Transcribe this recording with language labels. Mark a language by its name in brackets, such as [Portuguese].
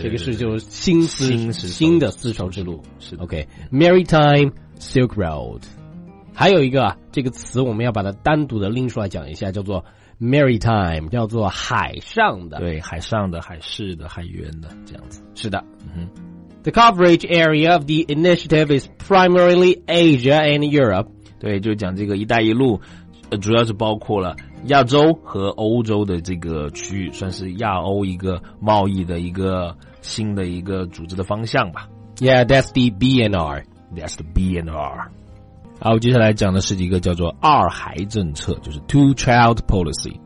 [Chinese] 这个是就是新的丝绸之路，是 OK Maritime Silk Road。 还有一个这个词我们要把它单独的拎出来讲一下，叫做Maritime， 叫做海上的，对，海上的、海事的、海员的，这样子。是的，嗯哼。 [English] The coverage area of the initiative is primarily Asia and Europe。 [Chinese] 对，就讲这个“一带一路”，主要是包括了亚洲和欧洲的这个区域，算是亚欧一个贸易的一个新的一个组织的方向吧。 [English] Yeah, that's the BNR. That's the BNR. [Chinese] 好，我接下来讲的是一个叫做二孩政策，就是 Two Child Policy。